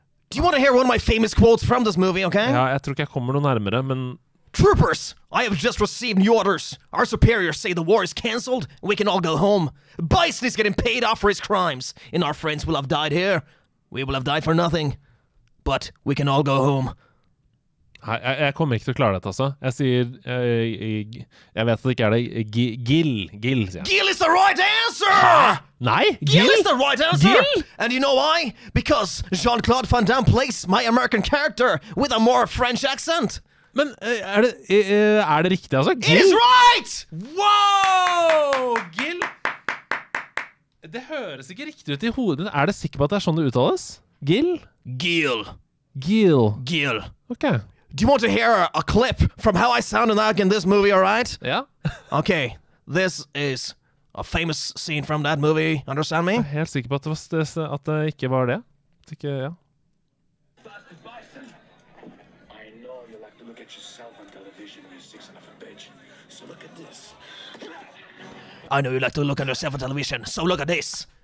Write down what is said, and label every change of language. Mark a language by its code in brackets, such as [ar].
[en] Do you want to hear one of my famous quotes from this movie, okay? [no] Ja, jeg tror ikke jeg kommer noe nærmere, men... [en] Troopers, I have just received new orders. Our superiors say the war is cancelled, and we can all go home. Bison is getting paid off for his crimes, and our friends will have died here. We will have died for nothing, but we can all go home. [no] Jeg kommer ikke til å klare dette, altså. Jeg sier, jeg vet at det ikke er det, Gil, sier jeg. [en] Gil is the right answer! [no] Hæ? Nei, [en] Gil is the right answer! Gil? And you know why? Because Jean-Claude Van Damme plays my American character with a more French accent. [no] Men er det riktig, altså? [en] Gil? It's right! [no] Wow! Gil? Det høres ikke riktig ut i hodet ditt. Er du sikker på at det er sånn det uttales? Gil? Gil. Gil. Gil. Ok. [en] Do you want to hear a clip from how I sound like in this movie, alright? [no] Ja. [en] Okay, this is a famous scene from that movie. Understand me? [no] Jeg er helt sikker på at det ikke var det. Ikke, ja. [en] Yourself on television, you sick son of a bitch. So look at this. I know you like to look at yourself on television, so look at this.